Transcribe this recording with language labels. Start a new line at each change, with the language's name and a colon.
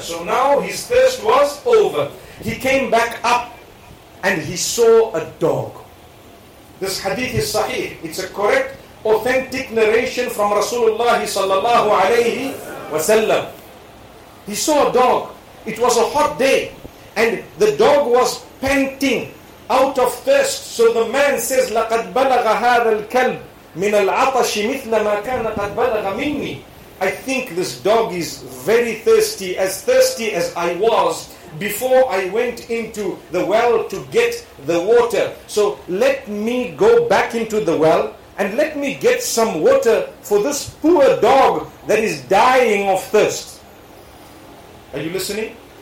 English: So now his thirst was over. He came back up and he saw a dog. This hadith is sahih. It's a correct, authentic narration from Rasulullah sallallahu alayhi wasallam. He saw a dog. It was a hot day and the dog was panting out of thirst. So the man says,
Arabic: لَقَدْ بَلَغَ هَذَا الْكَلْبِ من العطش مثل ما كان قد بلغ مني.
English: I think this dog is very thirsty as I was before I went into the well to get the water. So let me go back into the well and let me get some water for this poor dog that is dying of thirst. Are you listening?